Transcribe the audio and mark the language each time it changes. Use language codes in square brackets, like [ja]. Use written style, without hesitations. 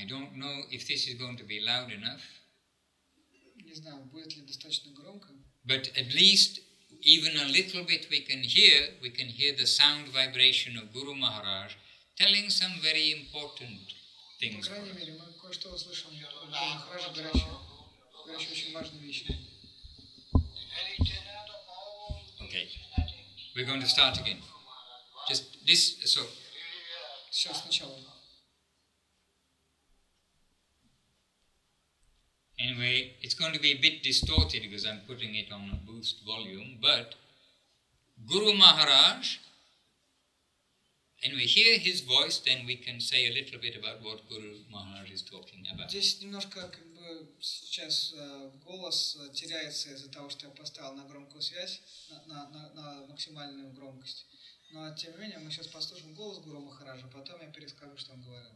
[en] I don't know if this is going to be loud enough. [ru] Не знаю, будет ли достаточно громко. [en] But at least, even a little bit we can hear the sound vibration of Guru Maharaj telling some very important things. [ru] По крайней мере, мы кое-что услышим, Guru Maharaj говорящий очень важные вещи. [en] Okay, we're going to start again. Just this, so. [ru] Сейчас сначала. [en] Anyway, it's going to be a bit distorted because I'm putting it on a boost volume, but Guru Maharaj, and we hear his voice, then we can say a little bit about what Guru Maharaj is talking about. [ru] Здесь немножко как бы сейчас голос теряется из-за того, что я поставил на громкую связь, на максимальную громкость. Но тем не менее мы сейчас послушаем голос Гуру Махараджа, потом я перескажу, что он говорил.